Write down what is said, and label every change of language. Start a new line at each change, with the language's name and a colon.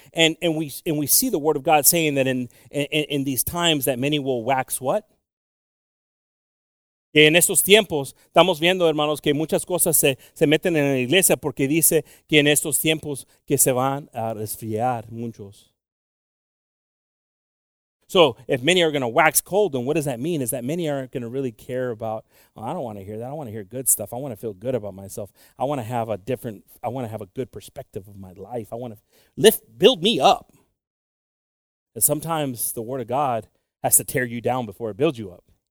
English: And we see the word of God saying that in these times that many will wax what?
Spanish: Que en estos tiempos, estamos viendo, hermanos, que muchas cosas se meten en la iglesia porque dice que en estos tiempos que se van a resfriar muchos.
English: So if many are going to wax cold, then what does that mean? Is that many aren't going to really care about, well, I don't want to hear that. I want to hear good stuff. I want to feel good about myself. I want to have a different, I want to have a good perspective of my life. I want to build me up. And sometimes the Word of God has to tear you down before it builds you up.